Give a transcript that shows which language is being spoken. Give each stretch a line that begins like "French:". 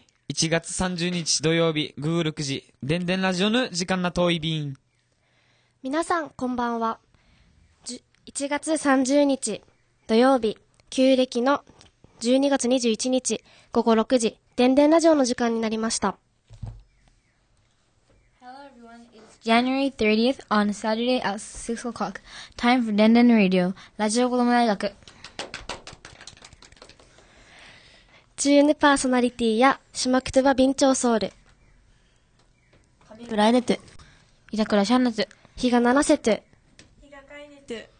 Japanese: 1月30日土曜日、午後6時、でんでんラジオの時間なといびん。皆さん、こんばんは。1月30日。土曜日、旧暦の12月21日、午後6時、でんでんラジオの時間になりました。
English: Hello everyone, it's January 30th on Saturday at 6 o'clock. Time for でんでん Radio,
Japanese: ラジオ子ども大学。チューンパーソナリティや、シマクトゥバ・ビンチョウソウル。カミブライネトゥ。イタクラ・シャンナトゥ。ヒガ・ナナセトゥ。ヒガ・カイネトゥ。